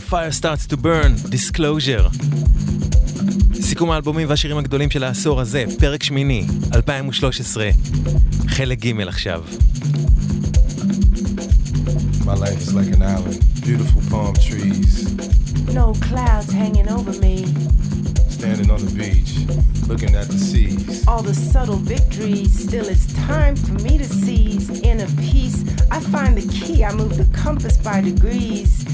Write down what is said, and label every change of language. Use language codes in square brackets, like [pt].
[en] starts to burn, disclosure. [he] סיכום האלבומים והשירים הגדולים של העשור הזה, פרק שמיני, 2013, חלק ג' עכשיו. [en] My life is like an island, beautiful palm trees. No clouds hanging over me. Standing on the beach, looking at the seas. All the subtle victories, still it's time for me to seize. In a piece, I find the key, I move the compass by degrees.